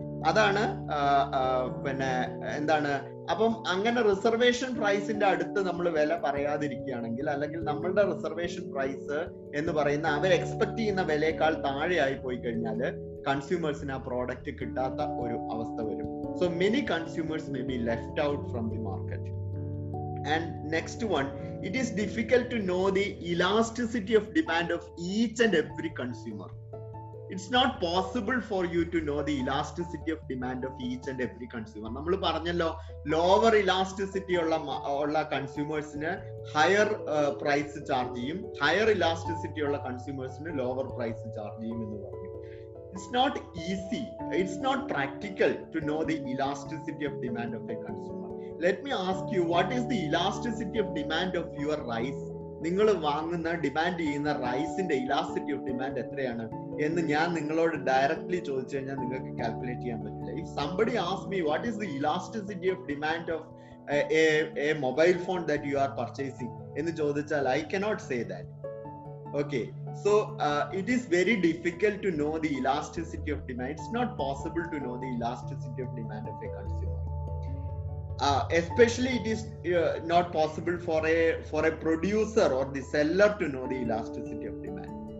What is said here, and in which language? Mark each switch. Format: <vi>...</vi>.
<ml>അതാണ് പിന്നെ എന്താണ്, അപ്പം അങ്ങനെ റിസർവേഷൻ പ്രൈസിന്റെ അടുത്ത് നമ്മൾ വില പറയാതിരിക്കുകയാണെങ്കിൽ, അല്ലെങ്കിൽ നമ്മളുടെ റിസർവേഷൻ പ്രൈസ് എന്ന് പറയുന്ന അവർ എക്സ്പെക്ട് ചെയ്യുന്ന വിലയേക്കാൾ താഴെയായി പോയി കഴിഞ്ഞാൽ കൺസ്യൂമേഴ്സിന് ആ പ്രോഡക്റ്റ് കിട്ടാത്ത ഒരു അവസ്ഥ വരും.</ml> <en>So many consumers may be left out from the market. And next one, it is difficult to know the elasticity of demand of each and every consumer. It's not possible for you to know the elasticity of demand of each and every consumer.</en> <ml>Nammal paranjallo</ml> <en>lower elasticity</en> <ml>ulla consumers ne</ml> <en>higher price charge</en> <ml>cheyum,</ml> <en>higher elasticity</en> <ml>ulla consumers ne</ml> <en>lower price charge</en> <ml>cheyum ennu parayum.</ml> <en>It's not easy, it's not practical to know the elasticity of demand of a consumer. Let me ask you, what is the elasticity of demand of your rice?</en> <ml>നിങ്ങൾ വാങ്ങുന്ന demand ചെയ്യുന്ന റൈസിന്റെ elasticity of demand എത്രയാണ് എന്ന് ഞാൻ നിങ്ങളോട് directly ചോദിച്ചു കഴിഞ്ഞാൽ നിങ്ങൾക്ക് കാൽക്കുലേറ്റ് ചെയ്യാൻ പറ്റില്ല.</ml> <en>if somebody ask me what is the elasticity of demand of a mobile phone that you are purchasing</en> <ml>എന്ന് ചോദിച്ചാൽ</ml> <en>I cannot say that. Okay, so it is very difficult to know the elasticity of demand. It's not possible to know the elasticity of demand of a consumer. Especially it is not possible for a producer or the seller to know the elasticity of demand.</en>